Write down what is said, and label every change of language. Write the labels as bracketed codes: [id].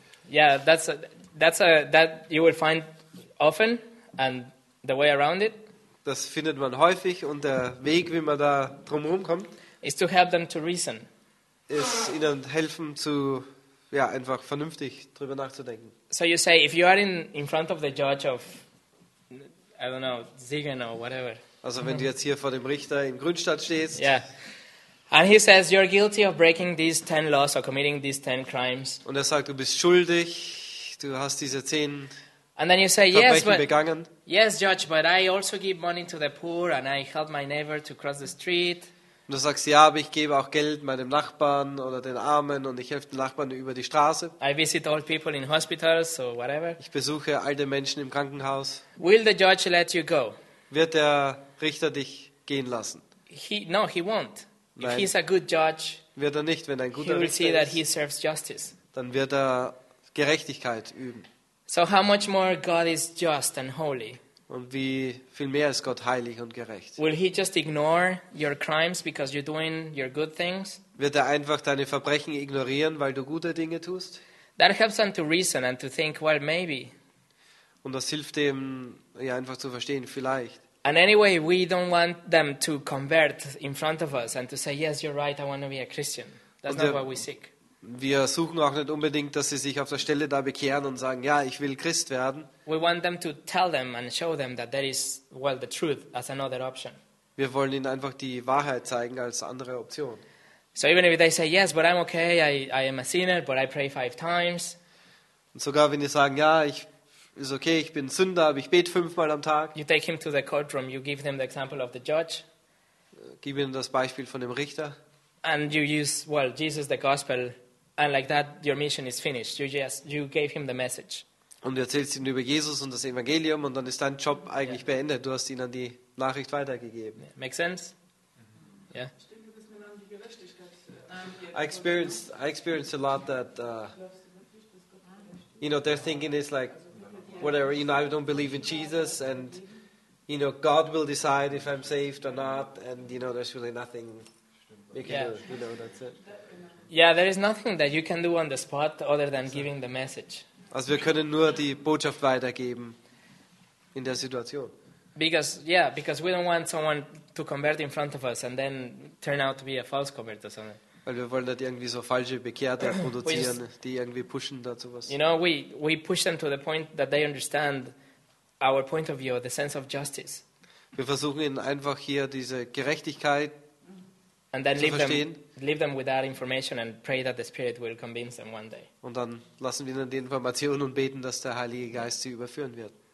[en] Yeah, that's you will find often and the way around it. [de] Das findet man häufig und der Weg, wie man da drumherum kommt, [en] is to help them to reason. [de] Ist ihnen helfen zu ja einfach vernünftig drüber nachzudenken. [en] So you say, if you are in front of the judge of, I don't know, Siegen or whatever. [de] Also wenn du jetzt hier vor dem Richter in Grünstadt stehst. [en] Yeah. And he says, you're guilty of breaking these 10 laws or committing these 10 crimes. [de] Und er sagt, du bist schuldig, du hast diese 10 [en] And then you say, yes, but, [de] begangen. [en] Yes, judge, but I also give money to the poor and I help my neighbor to cross the street. [de] Und du sagst, ja, aber ich gebe auch Geld meinem Nachbarn oder den Armen und ich helfe den Nachbarn über die Straße. [en] I visit old people in hospitals or whatever. [de] Ich besuche alte Menschen im Krankenhaus. [en] Will the judge let you go? [de] Wird der Richter dich gehen lassen? [en] No, he won't. [de] Nein. [en] If he's a good judge, [de] wird er nicht, wenn er ein guter [en] he will [de] Richter [en] see that [de] ist, [en] he serves justice. [de] Dann wird er Gerechtigkeit üben. [en] So how much more God is just and holy? [de] Und wie viel mehr ist Gott heilig und gerecht? [en] Will he just ignore your crimes because you're doing your good things? [de] Wird er einfach deine Verbrechen ignorieren, weil du gute Dinge tust? [en] That helps them to reason and to think, well, maybe. [de] Und das hilft dem ja einfach zu verstehen, vielleicht. [en] And anyway, we don't want them to convert in front of us and to say, yes, you're right, I want to be a Christian. That's not what we seek. [de] Wir suchen auch nicht unbedingt, dass sie sich auf der Stelle da bekehren und sagen, ja, ich will Christ werden. [en] We want them to tell them and show them that there is, well, the truth as another option. [de] Wir wollen ihnen einfach die Wahrheit zeigen als andere Option. [en] So even if they say, yes, but I'm okay, I am a sinner, but I pray 5 times. [de] Und sogar wenn sie sagen, ja, ich ist okay, ich bin Sünder, aber ich bete 5 Mal am Tag. [en] You take him to the courtroom, you give them the example of the judge. [de] Gib ihnen das Beispiel von dem Richter. [en] And you use, well, Jesus, the gospel. And like that, your mission is finished. You gave him the message. [de] Und du erzählst ihnen über Jesus und das Evangelium und dann ist dein Job eigentlich yeah. beendet. Du hast ihnen die Nachricht weitergegeben. [en] Yeah. Make sense? Yeah. I experienced a lot that, you know, their thinking is like, whatever, you know, I don't believe in Jesus and, you know, God will decide if I'm saved or not and, you know, there's really nothing we can yeah. do. You know, that's it. Yeah, there is nothing that you can do on the spot other than giving the message. [de] Also wir können nur die Botschaft weitergeben in der Situation. [en] Because we don't want someone to convert in front of us and then turn out to be a false convert or something. [de] Weil wir wollen nicht irgendwie so falsche Bekehrte produzieren, die irgendwie pushen dazu was. [en] You know, we push them to the point that they understand our point of view, the sense of justice. [de] Wir versuchen ihnen einfach hier diese Gerechtigkeit [en] And then leave them with that information and pray that the Spirit will convince them one day. [de] Und dann lassen wir ihnen die Information und beten, dass der Heilige Geist sie überführen wird.